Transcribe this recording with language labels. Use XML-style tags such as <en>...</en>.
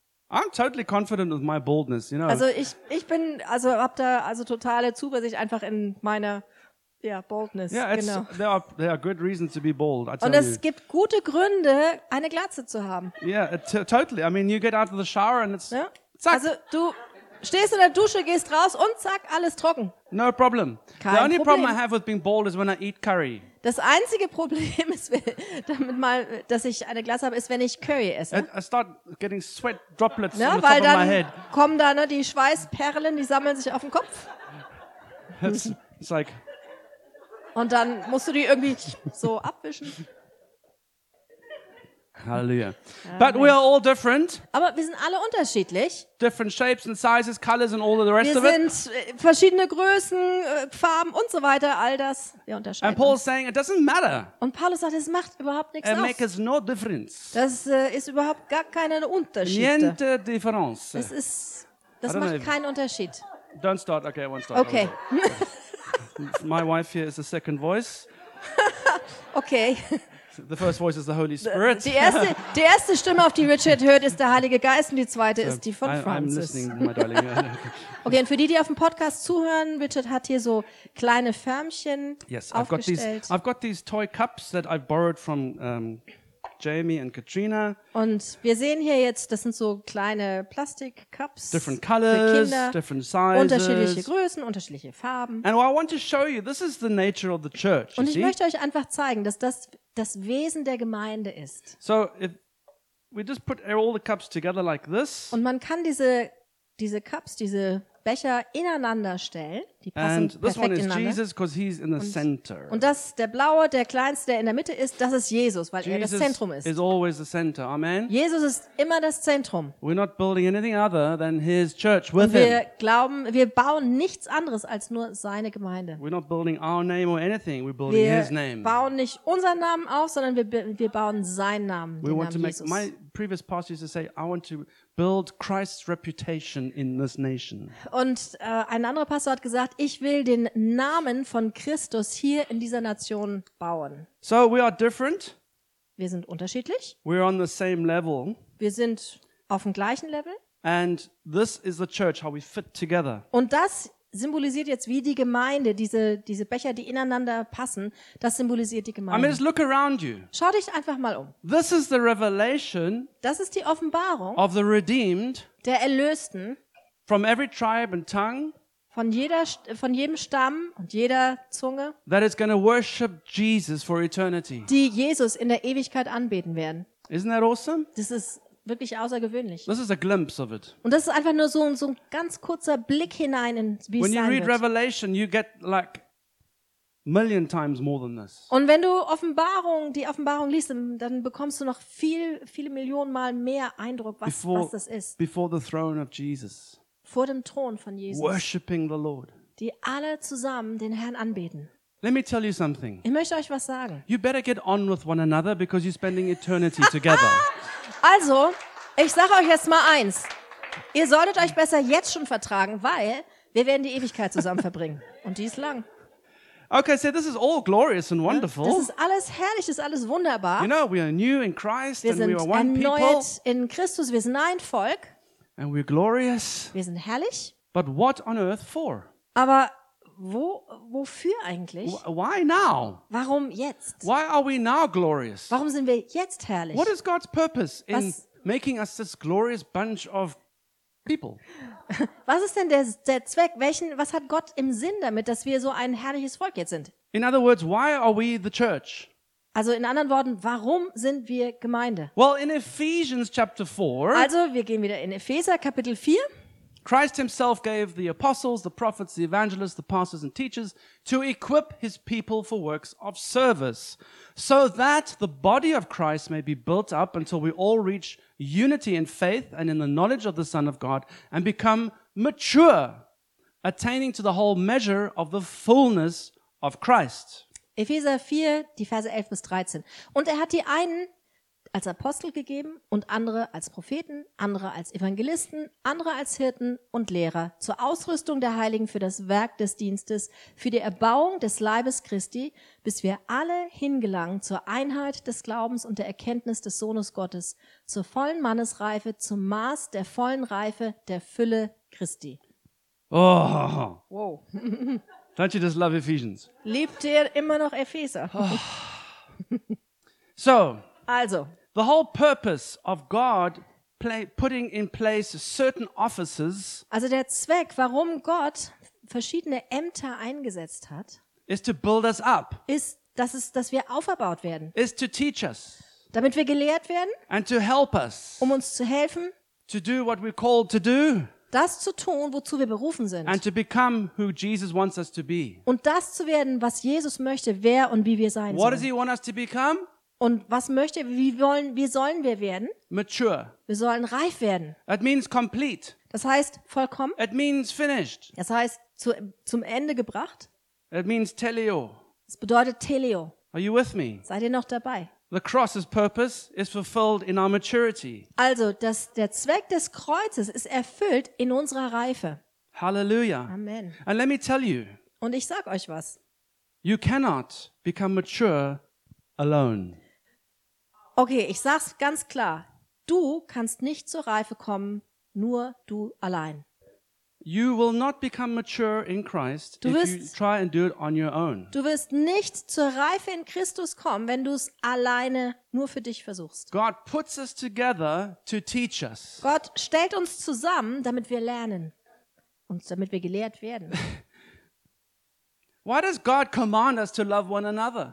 <en>I'm totally confident with my baldness, you know.</en> <de>Also ich bin also hab da also totale Zuversicht einfach in meiner Baldness.</de> <en>Yeah,</en> <de>genau.</de> <en>There are good reasons to be bald. I tell</en> <de>Und es</de> <en>you.</en> <de>Gibt gute Gründe, eine Glatze zu haben.</de> <en>Yeah, totally. I mean, you get out of the shower and it's zack. Also du stehst in der Dusche, gehst raus und zack, alles trocken. No problem.</en> <de>Kein</de> <en>The only</en> <de>problem.</de> <en>Problem I have with being bald is when I eat curry.</en> <de>Das einzige Problem ist, damit mal, dass ich eine Glasse habe, ist, wenn ich Curry esse.</de> <en>I start getting sweat droplets</en> <de>ja,</de> <en>on the</en> <de>weil</de> <en>top</en> <de>dann</de> <en>of my head.</en> <de>Kommen da ne, die Schweißperlen, die sammeln sich auf den Kopf.</de> <en>It's like</en> <de>und dann musst du die irgendwie so abwischen.</de> <en>Halleluja. But we are all different.</en> <de>Aber wir sind alle unterschiedlich.</de> <en>Different shapes and sizes, colors and all of the rest</en> <de>wir</de> <en>of it.</en> <de>Wir sind verschiedene Größen, Farben und so weiter, all das. Wir unterscheiden.</de> <en>And Paul's saying it doesn't matter.</en> <de>Und Paulus sagt, es macht überhaupt nichts aus.</de> <en>It makes no difference.</en> <de>Das ist überhaupt gar keinen Unterschied.</de> <it>Niente differenze.</it> <de>Es ist das macht keinen Unterschied.</de> <en>Don't start. Okay, I won't start. Okay. My wife here is the second voice. Okay. The first voice is the Holy Spirit.</en> <de>Die erste Stimme, auf die Richard hört, ist der Heilige Geist und die zweite ist die von Francis.</de> <en>I'm listening, my darling.</en> <de>Okay, und für die, die auf dem Podcast zuhören, Richard hat hier so kleine Förmchen</de> <en>yes,</en> <de>aufgestellt.</de> <en>I've got these toy cups that I've borrowed from Jamie and Katrina.</en> <de>Und wir sehen hier jetzt, das sind so kleine Plastik-Cups.</de> <en>Different colors, different sizes.</en> <de>Unterschiedliche Größen, unterschiedliche Farben.</de> <en>And I want to show you, this is the nature of the church.</en> <de>Und ich möchte euch einfach zeigen, dass das das Wesen der Gemeinde ist.</de> <en>So, if we just put all the cups together like this.</en> <de>Und man kann diese Cups, diese Becher ineinander stellen, die passen</de> <en>and this</en> <de>perfekt</de> <en>one is</en> <de>ineinander.</de> <en>Jesus, 'cause he's in the center.</en> <de>Und das der blaue, der kleinste, der in der Mitte ist, das ist Jesus, weil</de> <en>Jesus</en> <de>er das Zentrum ist.</de> <en>Is always the center. Amen.</en> <de>Jesus ist immer das Zentrum.</de> <en>We're not building anything other than his church with him.</en> <de>Und wir bauen nichts anderes als nur seine Gemeinde.</de> <en>We're not building our name or anything, we're building</en> <de>wir</de> <en>his name.</en> <de>Wir bauen nicht unseren Namen auf, sondern wir bauen seinen Namen, den Namen Jesus.</de> <en>My previous pastor used to say, I want to build Christ's reputation in this nation.</en> <de>Und ein anderer Pastor hat gesagt, ich will den Namen von Christus hier in dieser Nation bauen.</de> <en>So we are different.</en> <de>Wir sind unterschiedlich.</de> <en>We're on the same level.</en> <de>Wir sind auf dem gleichen Level.</de> <en>And this is the church, how we fit together.</en> <de>Und das symbolisiert jetzt, wie die Gemeinde, diese Becher, die ineinander passen, das symbolisiert die Gemeinde.</de> <en>I mean, just look around you.</en> <de>Schau dich einfach mal um.</de> <en>This is the revelation.</en> <de>Das ist die Offenbarung</de> <en>of the redeemed,</en> <de>der Erlösten</de> <en>from every tribe and tongue,</en> <de>von jedem Stamm und jeder Zunge,</de> <en>that is going to worship Jesus for eternity.</en> <de>Die Jesus in der Ewigkeit anbeten werden.</de> <en>Isn't that awesome?</en> <de>Das ist wirklich außergewöhnlich.</de> <en>This is a glimpse of it.</en> <de>Und das ist einfach nur so ein ganz kurzer Blick hinein in wie es sein wird.</de> <en>When you read</en> <de>wird.</de> <en>Revelation, you get like million times more than this.</en> <de>Und wenn du die Offenbarung liest, dann bekommst du noch viele Millionen Mal mehr Eindruck, was das ist.</de> <en>Before the throne of Jesus.</en> <de>Vor dem Thron von Jesus.</de> <en>Worshiping the Lord.</en> <de>Die alle zusammen den Herrn anbeten.</de> <en>Let me tell you something.</en> <de>Ich möchte euch was sagen.</de> <en>You better get on with one another because you're spending eternity together.</en> <de>Also, ich sage euch jetzt mal eins. Ihr solltet euch besser jetzt schon vertragen, weil wir werden die Ewigkeit zusammen verbringen. Und die ist lang.</de> <en>Okay, so this is all glorious and wonderful.</en> <de>Das ist alles herrlich, ist alles wunderbar.</de> <en>You know, we are new in Christ</en> <de>wir</de> <en>and we are one people.</en> <de>Wir sind erneut in Christus, wir sind ein Volk.</de> <en>And we're glorious.</en> <de>Wir sind herrlich.</de> <en>But what on earth for?</en> <de>Aber wofür eigentlich?</de> <en>Why now?</en> <de>Warum jetzt?</de> <en>Why are we now glorious?</en> <de>Warum sind wir jetzt herrlich?</de> <en>What is God's purpose in making us this glorious bunch of people?</en> <de>Was ist denn der Zweck? Was hat Gott im Sinn damit, dass wir so ein herrliches Volk jetzt sind?</de> <en>In other words, why are we the church?</en> <de>Also in anderen Worten, warum sind wir Gemeinde?</de> <en>Well, in Ephesians chapter 4.</en> <de>Also, wir gehen wieder in Epheser Kapitel 4.</de> <en>Christ himself gave the apostles, the prophets, the evangelists, the pastors and teachers to equip his people for works of service, so that the body of Christ may be built up until we all reach unity in faith and in the knowledge of the Son of God and become mature, attaining to the whole measure of the fullness of Christ.</en> <de>Epheser 4, die Verse 11 bis 13. Und er hat die einen als Apostel gegeben und andere als Propheten, andere als Evangelisten, andere als Hirten und Lehrer zur Ausrüstung der Heiligen für das Werk des Dienstes, für die Erbauung des Leibes Christi, bis wir alle hingelangen zur Einheit des Glaubens und der Erkenntnis des Sohnes Gottes, zur vollen Mannesreife, zum Maß der vollen Reife der Fülle Christi. Oh, wow.</de> <en>Don't you just love Ephesians?</en> <de>Liebt ihr immer noch Epheser?</de> <en>So,</en> <de>also,</de> <en>the whole purpose of God putting in place certain offices.</en> <de>Also der Zweck, warum Gott verschiedene Ämter eingesetzt hat,</de> <en>is to build us up.</en> <de>Dass wir aufgebaut werden.</de> <en>Is to teach us.</en> <de>Damit wir gelehrt werden.</de> <en>And to help us.</en> <de>Um uns zu helfen.</de> <en>To do what we're called to do.</en> <de>Das zu tun, wozu wir berufen sind.</de> <en>And to become who Jesus wants us to be.</en> <de>Und das zu werden, was Jesus möchte, wer und wie wir sein</de> <en>what</en> <de>sollen.</de> <en>What does he want us to become?</en> <de>Und was möchte, wie sollen wir werden?</de> <en>Mature.</en> <de>Wir sollen reif werden.</de> <en>It means complete.</en> <de>Das heißt vollkommen.</de> <en>It means finished.</en> <de>Das heißt zum Ende gebracht.</de> <en>It means teleo.</en> <de>Das bedeutet teleo.</de> <en>Are you with me?</en> <de>Seid ihr noch dabei?</de> <en>The cross's purpose is fulfilled in our maturity.</en> <de>Also, der Zweck des Kreuzes ist erfüllt in unserer Reife. Hallelujah. Amen.</de> <en>And let me tell you.</en> <de>Und ich sag euch was.</de> <en>You cannot become mature alone.</en> <de>Okay, ich sag's ganz klar. Du kannst nicht zur Reife kommen, nur du allein.</de> <en>You will not become mature in Christ if you try and do it on your own.</en> <de>Du wirst nicht zur Reife in Christus kommen, wenn du es alleine nur für dich versuchst.</de> <en>God puts us together to teach us.</en> <de>Gott stellt uns zusammen, damit wir lernen und damit wir gelehrt werden.</de> <en>Why does God command us to love one another?</en>